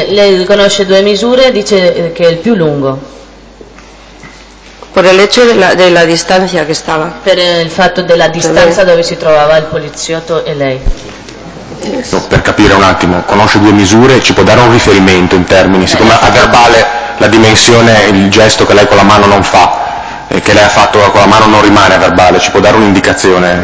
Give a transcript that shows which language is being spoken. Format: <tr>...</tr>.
<it>Lei conosce due misure, dice che è il più lungo.</it> <es>Por el hecho de la distancia que estaba.</es> <it>Per il fatto della distanza dove si trovava il poliziotto e lei. No, per capire un attimo, conosce due misure, ci può dare un riferimento in termini, siccome a verbale la dimensione, il gesto che lei con la mano non fa, e che lei ha fatto con la mano non rimane a verbale, ci può dare un'indicazione?</it>